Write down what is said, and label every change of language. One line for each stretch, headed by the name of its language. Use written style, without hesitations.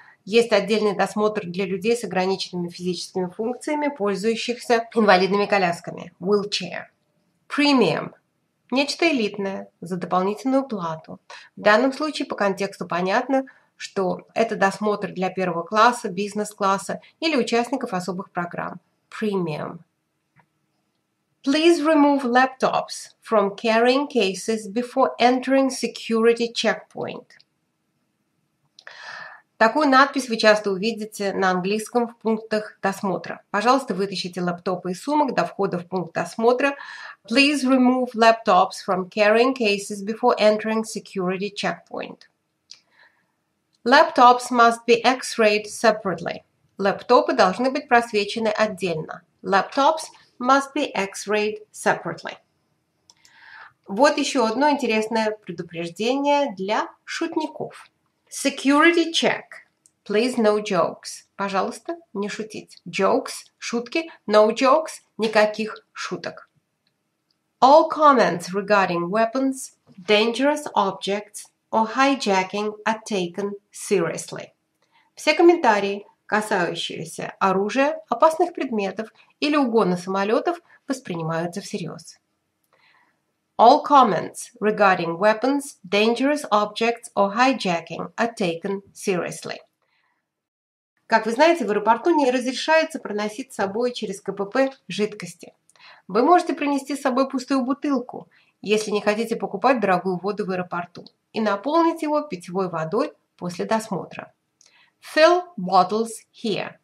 Russian: Есть отдельный досмотр для людей с ограниченными физическими функциями, пользующихся инвалидными колясками.
English: Wheelchair. Premium.
Russian: Нечто элитное за дополнительную плату. В данном случае по контексту понятно, что это досмотр для первого класса, бизнес-класса или участников особых программ.
English: Premium. Please remove laptops from carrying cases before entering security checkpoint.
Russian: Такую надпись вы часто увидите на английском в пунктах досмотра. Пожалуйста, вытащите лаптопы из сумок до входа в пункт досмотра.
English: Please remove laptops from carrying cases before entering security checkpoint. Laptops must be x-rayed separately.
Russian: Лаптопы должны быть просвечены отдельно.
English: Laptops must be x-rayed separately.
Russian: Вот еще одно интересное предупреждение для шутников.
English: Security check. Please no jokes.
Russian: Пожалуйста, не шутить. Jokes – шутки.
English: No jokes
Russian: – никаких шуток.
English: All comments regarding weapons, dangerous objects or hijacking are taken seriously.
Russian: Все комментарии, касающиеся оружия, опасных предметов или угона самолетов, воспринимаются всерьез.
English: All comments regarding weapons, dangerous objects or hijacking are taken seriously.
Russian: Как вы знаете, в аэропорту не разрешается проносить с собой через КПП жидкости. Вы можете принести с собой пустую бутылку, если не хотите покупать дорогую воду в аэропорту, и наполнить его питьевой водой после досмотра.
English: Fill bottles here.